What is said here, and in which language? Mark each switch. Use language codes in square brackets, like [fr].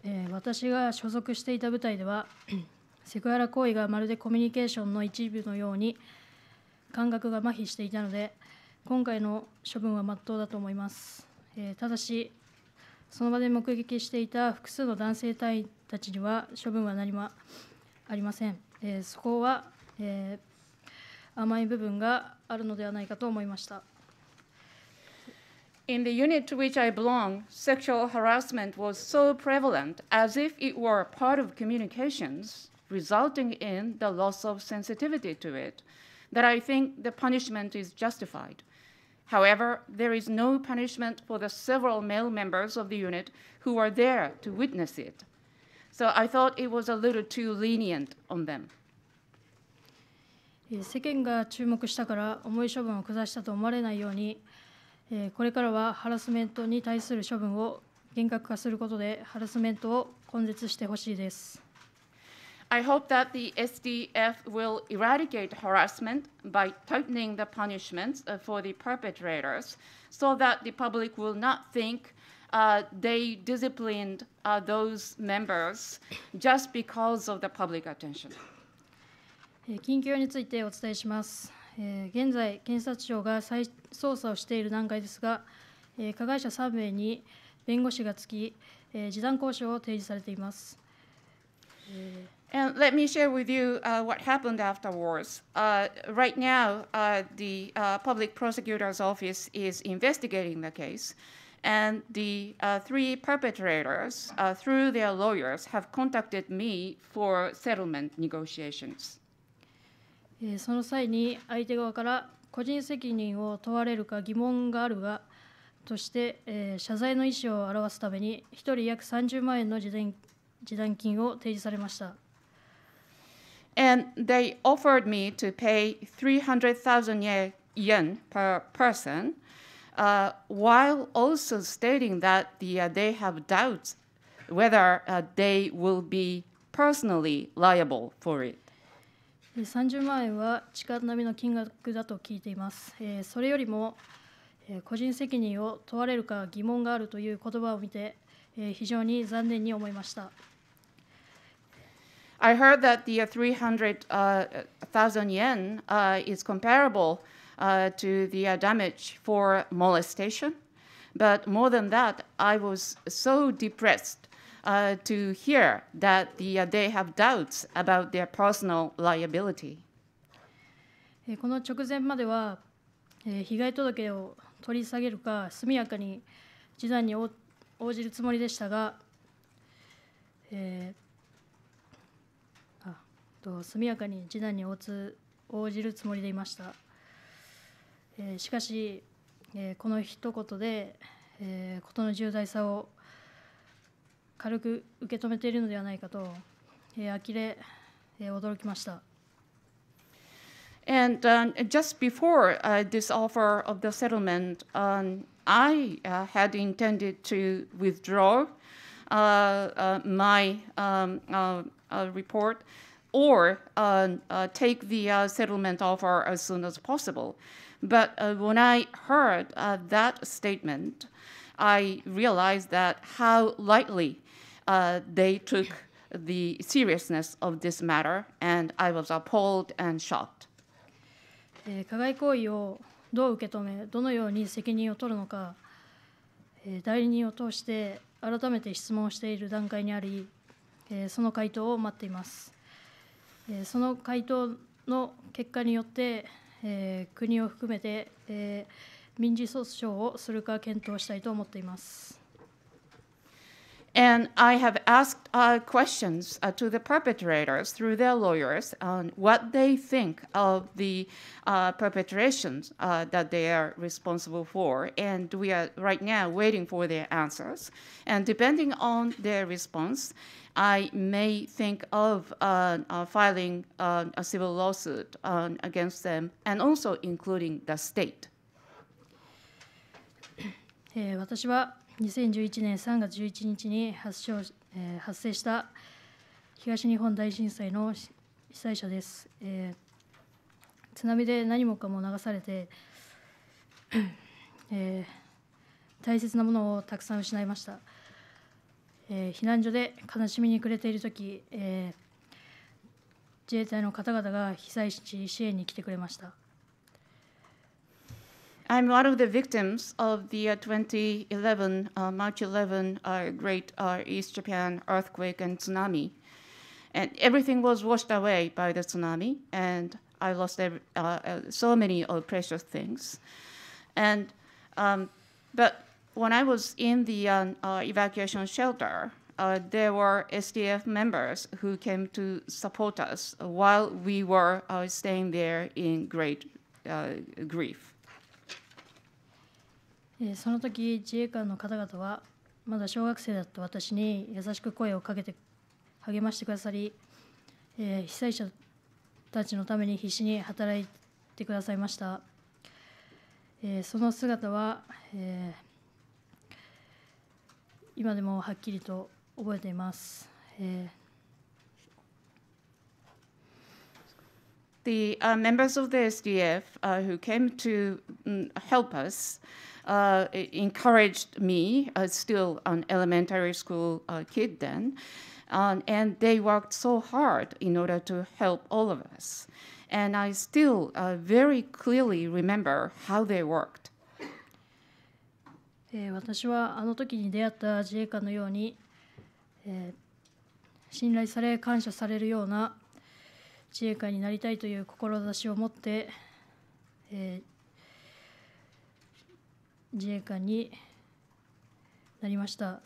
[ja] 私が所属していた部隊では、セクハラ行為がまるでコミュニケーションの一部のように感覚が麻痺していたので、今回の処分は真っ当だと思います。ただし、その場で目撃していた複数の男性隊員たちには処分は何もありません。そこは、甘い部分があるのではないかと思いました。 [en] In the unit to which I belong, sexual harassment was so prevalent as if it were a part of communications, resulting in the loss of sensitivity to it, that I think the punishment is justified. However, there is no punishment for the several male members of the unit who were there to witness it. So I thought it was a little too lenient on them. [ja] 世間が注目したから重い処分を下したと思われないように、これからはハラスメントに対する処分を厳格化することでハラスメントを根絶してほしいです。 [en] I hope that the SDF will eradicate harassment by tightening the punishments for the perpetrators so that the public will not think they disciplined those members just because of the public attention. [ja] 近況についてお伝えします。現在、検察庁が再捜査をしている段階ですが、加害者3名に弁護士がつき、示談交渉を提示されています。 [en] And let me share with you what happened afterwards. Right now, the public prosecutor's office is investigating the case, and the three perpetrators, through their lawyers, have contacted me for settlement negotiations. [ja] その際に相手側から個人責任を問われるか疑問があるがとして、謝罪の意思を表すために1人約30万円の示談金を提示されました。 [en] And they offered me to pay 300,000 yen per person, while also stating that they have doubts whether they will be personally liable for it. [ja] 30万円は痴漢並みの金額だと聞いています。それよりも個人責任を問われるか疑問があるという言葉を見て非常に残念に思いました。 [en] I heard that the 300,000 yen is comparable to the damage for molestation. But more than that, I was so depressed to hear that they have doubts about their personal liability. [ja] この直前までは被害届を取り下げるか速やかに示談に応じるつもりでしたが、速やかに示談に応じるつもりでいました。しかし、この一言で、ことの重大さを軽く受け止めているのではないかと、呆れ、驚きました。 [en] And just before this offer of the settlement, I had intended to withdraw my report. Or take the settlement offer as soon as possible. But when I heard that statement, I realized that how lightly they took the seriousness of this matter, and I was appalled and shocked. [ja] 加害行為をどう受け止め、どのように責任を取るのか、代理人を通して改めて質問している段階にあり、その回答を待っています。その回答の結果によって、国を含めて、民事訴訟をするか検討したいと思っています。 [en] And I have asked questions to the perpetrators through their lawyers on what they think of the perpetrations that they are responsible for. And we are right now waiting for their answers. And depending on their response, I may think of filing a civil lawsuit against them and also including the state. [ja] 私は2011年3月11日に発生した東日本大震災の被災者です。津波で何もかも流されて、大切なものをたくさん失いました。避難所で悲しみに暮れているとき、自衛隊の方々が被災地支援に来てくれました。 [en] I'm one of the victims of the 2011, March 11, Great East Japan earthquake and tsunami. And everything was washed away by the tsunami, and I lost so many of precious things. And, but when I was in the evacuation shelter, there were SDF members who came to support us while we were staying there in great grief. [ja] その時自衛官の方々はまだ小学生だった私に優しく声をかけて励ましてくださり、被災者たちのために必死に働いてくださいました。その姿は、今でもはっきりと覚えています。 [en] The members of the SDF who came to help us encouraged me, still an elementary school kid then, and they worked so hard in order to help all of us. And I still very clearly remember how they worked. [ja] 私はあの時に出会った自衛官のように、信頼され感謝されるような自衛官になりたいという志を持って、自衛官になりました。